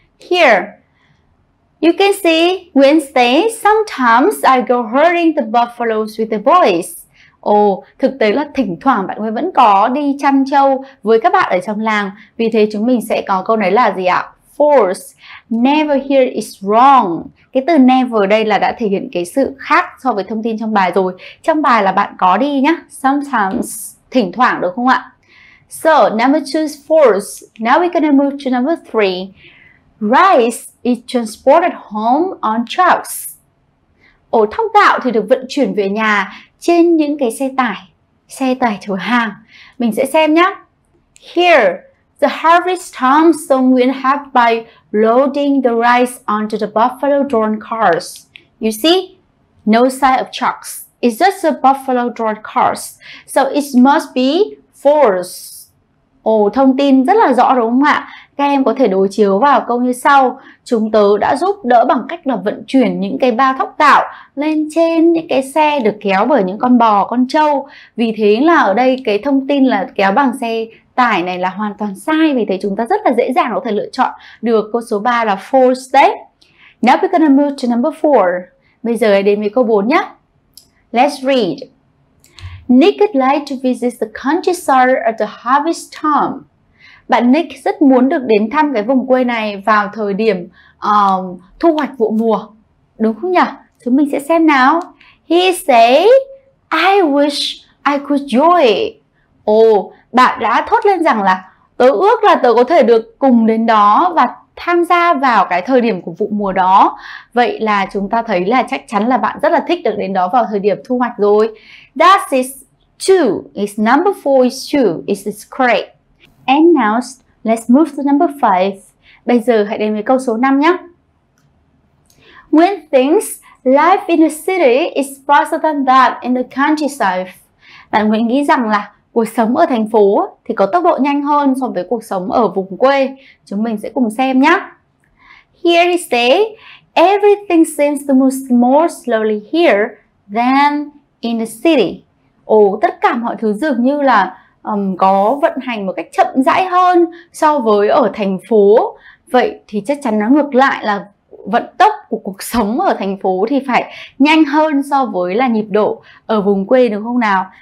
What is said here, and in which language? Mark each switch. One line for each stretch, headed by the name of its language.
English: Here. You can see Wednesday, sometimes I go herding the buffaloes with the boys.
Vietnamese: Thực tế là thỉnh thoảng bạn Nguyên vẫn có đi chăn trâu với các bạn ở trong làng. Vì thế chúng mình sẽ có câu này là gì ạ?
English: False. Never here is wrong.
Vietnamese: Cái từ never ở đây là đã thể hiện cái sự khác so với thông tin trong bài rồi. Trong bài là bạn có đi nhá. Sometimes, thỉnh thoảng, đúng không ạ?
English: So, number 2 is false. Now we're gonna move to number 3. Rice is transported home on trucks.
Vietnamese: Thóc gạo thì được vận chuyển về nhà trên những cái xe tải chở hàng. Mình sẽ xem nhá.
English: Here, the harvest time so Nguyễn had by loading the rice onto the buffalo-drawn cars. You see? No sign of trucks. It's just the buffalo-drawn cars. So it must be false.
Vietnamese: Thông tin rất là rõ, đúng không ạ? Các em có thể đối chiếu vào câu như sau. Chúng tớ đã giúp đỡ bằng cách là vận chuyển những cái bao thóc gạo lên trên những cái xe được kéo bởi những con bò, con trâu. Vì thế là ở đây cái thông tin là kéo bằng xe tải này là hoàn toàn sai. Vì thế chúng ta rất là dễ dàng có thể lựa chọn được câu số 3 là false đấy.
English: Now we're gonna move to number 4.
Vietnamese: Bây giờ đến với câu 4 nhé.
English: Let's read. Nick would like to visit the countryside at the harvest time.
Vietnamese: Bạn Nick rất muốn được đến thăm cái vùng quê này vào thời điểm thu hoạch vụ mùa, đúng không nhỉ? Chúng mình sẽ xem nào.
English: He say, "I wish I could join."
Vietnamese: Bạn đã thốt lên rằng là tớ ước là tớ có thể được cùng đến đó và tham gia vào cái thời điểm của vụ mùa đó. Vậy là chúng ta thấy là chắc chắn là bạn rất là thích được đến đó vào thời điểm thu hoạch rồi.
English: That is true. It's number 4 is true. It's correct. And now let's move to number 5.
Vietnamese: Bây giờ hãy đến với câu số 5 nhé.
English: Nguyễn thinks life in a city is faster than that in the countryside.
Vietnamese: Bạn Nguyễn nghĩ rằng là cuộc sống ở thành phố thì có tốc độ nhanh hơn so với cuộc sống ở vùng quê. Chúng mình sẽ cùng xem nhé.
English: Here it says, everything seems to move more slowly here than in the city.
Vietnamese: Ồ, tất cả mọi thứ dường như là có vận hành một cách chậm rãi hơn so với ở thành phố. Vậy thì chắc chắn nó ngược lại là vận tốc của cuộc sống ở thành phố thì phải nhanh hơn so với là nhịp độ ở vùng quê, đúng không nào?